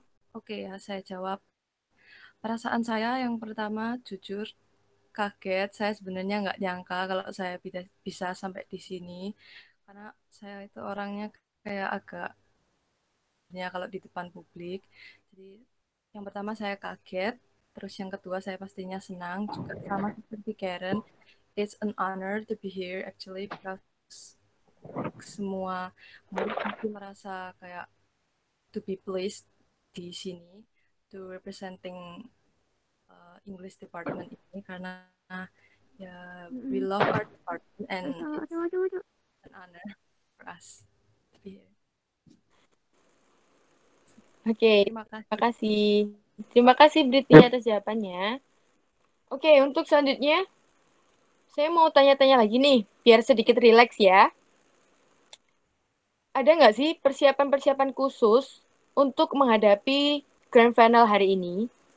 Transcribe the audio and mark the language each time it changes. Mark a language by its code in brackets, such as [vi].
[id] Oke, ya, saya jawab. Perasaan saya yang pertama, jujur, kaget. Saya sebenarnya nggak nyangka kalau saya bisa sampai di sini. Karena saya itu orangnya kayak agak, ya, kalau di depan publik. Jadi, yang pertama saya kaget. Terus yang kedua, saya pastinya senang. Juga sama seperti Karen. [en] It's an honor to be here, actually, because [id] semua murid itu merasa kayak [en] to be pleased [id] di sini [en] to representing English department [id] ini, karena ya [en] we love our department and it's an honor for us to be here. [id] Oke, Terima terima kasih. kasih. Terima kasih Britney atas jawabannya. Oke, untuk selanjutnya, saya mau tanya-tanya lagi nih, biar sedikit rileks ya. Ada nggak sih persiapan-persiapan khusus untuk menghadapi grand final hari ini?